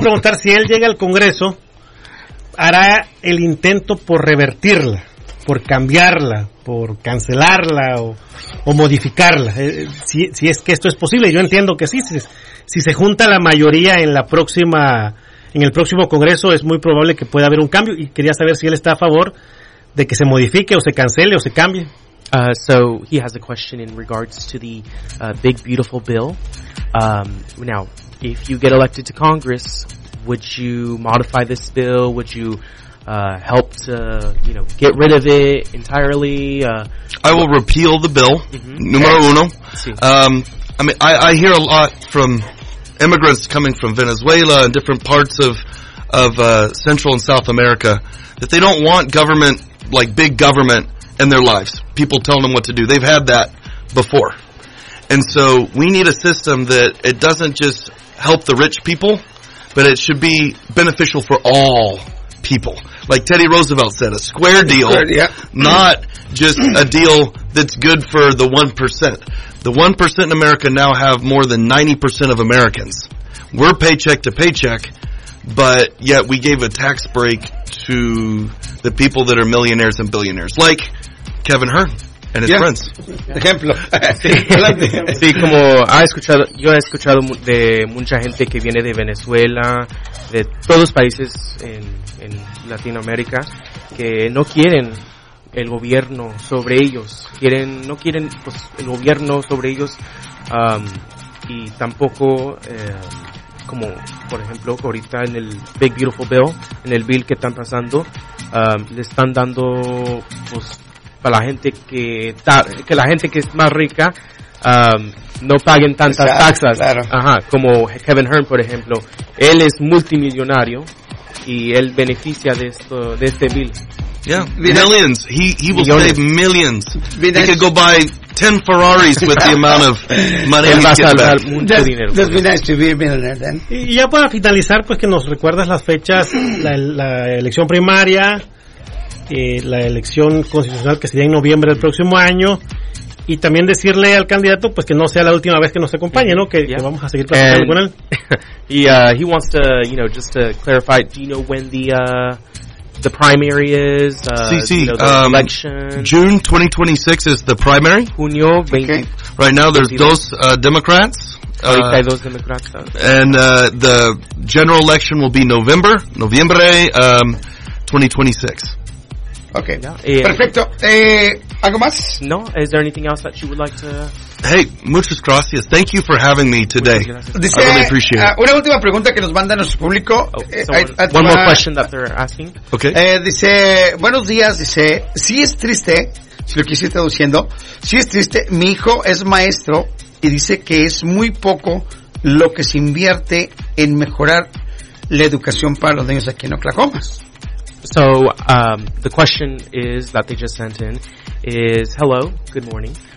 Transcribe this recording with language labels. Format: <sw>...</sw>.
<es>preguntar si él llega al Congreso, ¿hará el intento por revertirla, por cambiarla, por cancelarla o modificarla? Si es que esto es posible. Yo entiendo que sí. Si se junta la mayoría en el próximo Congreso, es muy probable que pueda haber un cambio. Y quería saber si él está a favor de que se modifique o se cancele o se cambie.</es> <en>So he has a question in regards to the Big Beautiful Bill. Now, if you get elected to Congress, would you modify this bill? Would you help to, you know, get rid of it entirely? I will repeal the bill,</en> <es>numero uno.</es> <en>I mean, I hear a lot from immigrants coming from Venezuela and different parts of Central and South America that they don't want government, like big government, in their lives. People telling them what to do. They've had that before. And so we need a system that it doesn't just help the rich people, but it should be beneficial for all people. Like Teddy Roosevelt said, a square deal, not just a deal that's good for the 1%. The 1% in America now have more than 90% of Americans. We're paycheck to paycheck, but yet we gave a tax break to the people that are millionaires and billionaires, like Kevin Hearn and his friends.</en> <es>Ejemplo. Sí, como ha escuchado, yo he escuchado de mucha gente que viene de Venezuela, de todos los países en Latinoamérica, que no quieren el gobierno sobre ellos, no quieren pues el gobierno sobre ellos, y tampoco como por ejemplo ahorita en el Big Beautiful Bill, en el bill que están pasando, le están dando pues para la gente que la gente que es más rica, no paguen tantas taxas. Claro. Ajá, como Kevin Hearn, por ejemplo. Él es multimillonario y él beneficia de esto, de este bill.</es> <en>Yeah, millions. He will millones. Save millions. He could go buy 10 Ferraris with the amount of money he gets back. Be nice to be a millionaire then.</en> <es>Y ya para finalizar, pues que nos recuerdas las fechas, la elección primaria, la elección constitucional que sería en noviembre del próximo año, y también decirle al candidato pues que no sea la última vez que nos acompañe, ¿no? Que, yeah, que vamos a seguir platicando con él.</es> <en>Y he wants to, you know, just to clarify, do you know when the primary is, election. June 2026 is the primary.</en> <es>Junio 20. Okay.</es> <en>Right now there's 20. Dos Democrats. And the general election will be November 2026.</en> <es>Okay. Yeah. Perfecto. ¿Algo más? No.</es> <en>Is there anything else that you would like to... Hey,</en> <es>muchas gracias.</es> <en>Thank you for having me today. Dice, I really appreciate it.</en> <es>Una última pregunta que nos manda nuestro público.</es> <en>One more question that they're asking.</en> <es>Okay. Dice, buenos días. Dice, sí es triste, si lo quise traduciendo, sí es triste, mi hijo es maestro y dice que es muy poco lo que se invierte en mejorar la educación para los niños aquí en Oklahoma.</es> <en>So, the question is that they just sent in is, hello, good morning.</en>